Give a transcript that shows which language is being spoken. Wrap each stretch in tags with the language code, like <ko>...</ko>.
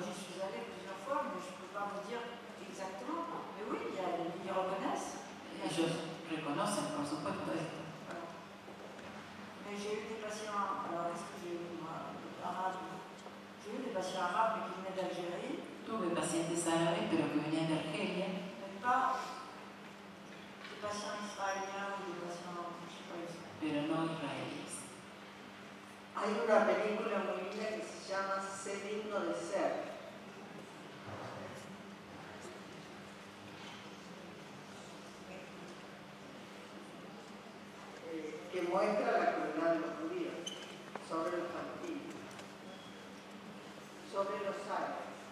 <fr>Je suis allée plusieurs fois, mais je ne peux pas vous dire exactement. Mais oui, ils reconnaissent.</fr> <es>Ellos reconocen, por supuesto, esto.</es> <fr>Mais j'ai eu des patients, alors est-ce que j'ai eu arabes? J'ai eu des patients arabes qui venaient d'Algérie.</fr> <es>Tuve pacientes árabes, pero que venían de Argelia.</es> <fr>Mais pas des patients israéliens ou des patients, je ne sais pas.</fr> <es>Pero no israelíes. Hay una película muy linda que se llama Ser digno de ser. Que muestra la crueldad de los judíos sobre los gentiles, sobre los árabes.</es>